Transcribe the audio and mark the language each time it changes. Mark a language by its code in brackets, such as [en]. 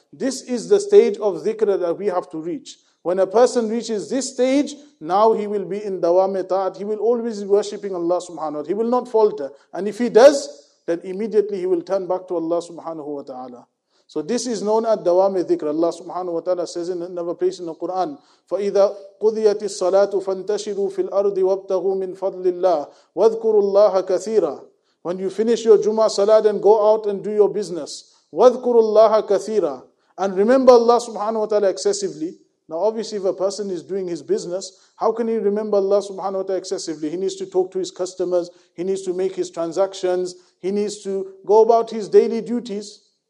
[en] This is the stage of dhikr that we have to reach. When a person reaches this stage, now he will be in dawame ta'at. He will always be worshipping Allah subhanahu wa ta'ala. He will not falter. And if he does, then immediately he will turn back to Allah subhanahu wa ta'ala. So this is known as dawame dhikr. Allah subhanahu wa ta'ala says in another place in the Quran, [ar] فَإِذَا قُضِيَتِ الصَّلَاةُ فَانْتَشِرُوا فِي الْأَرْضِ وَابْتَغُوا مِنْ فَضْلِ اللَّهِ وَاذْكُرُوا اللَّهَ كَثِيرًا. [en] When you finish your Jummah Salat and go out and do your business, [ar] وَذْكُرُوا اللَّهَ كَثِيرًا, [en] and remember Allah subhanahu wa ta'ala excessively. Now obviously if a person is doing his business, how can he remember Allah subhanahu wa ta'ala excessively? He needs to talk to his customers, he needs to make his transactions, he needs to go about his daily duties.